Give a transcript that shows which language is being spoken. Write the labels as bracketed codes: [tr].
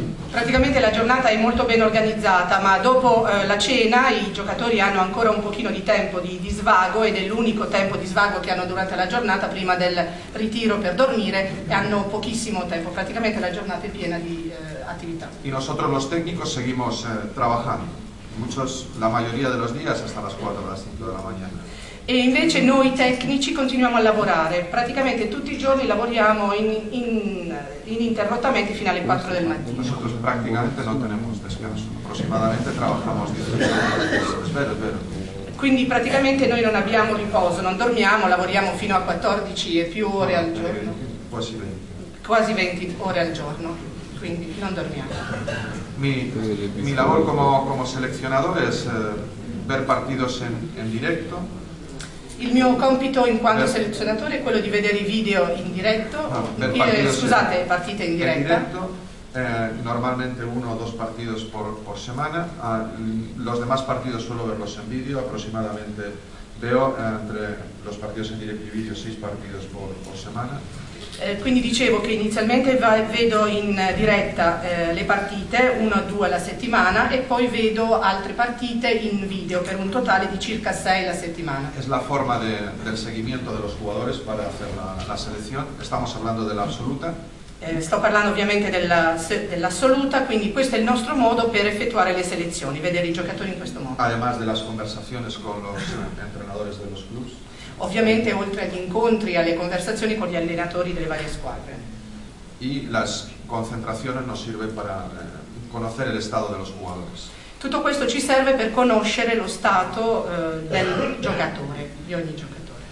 [it] Praticamente la giornata è molto ben organizzata, ma dopo la cena i giocatori hanno ancora un pochino di tempo di svago ed è l'unico tempo di svago che hanno durante la giornata prima del ritiro per dormire e hanno pochissimo tempo, praticamente la giornata è piena di attività. [es] Y nosotros los técnicos seguimos trabajando, la mayoría de los días hasta las 4 o las 5 de la mañana. [it] E invece noi tecnici continuiamo a lavorare, praticamente tutti i giorni lavoriamo ininterrottamente fino alle 4 del mattino. [es] Nosotros prácticamente no tenemos descanso, aproximadamente trabajamos 10 horas. [it] Es vero. Quindi praticamente noi non abbiamo riposo, non dormiamo, lavoriamo fino a 14 e più ore al giorno. Quasi 20. Quasi 20 ore al giorno, quindi non dormiamo. Mi lavoro come selezionatore è [es] ver partidos [it] in diretto. Il mio compito in quanto selezionatore è quello di vedere i video in diretto, partite in diretta. In diretto, [es] normalmente uno o dos partidos por semana, los demás partidos suelo verlos en video, aproximadamente veo entre los partidos en directo y video 6 partidos por semana. [it] Quindi dicevo che inizialmente vedo in diretta le partite, una o due alla settimana, e poi vedo altre partite in video per un totale di circa 6 alla settimana. [es] È la forma del seguimiento de los jugadores para hacer la selección. Estamos hablando de la absoluta. [it] Sto parlando ovviamente dell'assoluta, quindi questo è il nostro modo per effettuare le selezioni, vedere i giocatori in questo modo. [es] Además de las conversaciones con los entrenadores de los clubs. [it] Ovviamente oltre agli incontri, alle conversazioni con gli allenatori delle varie squadre. [es] Y las concentraciones nos sirven para conocer el estado de los jugadores. [it] Tutto questo ci serve per conoscere lo stato del giocatore, di ogni giocatore.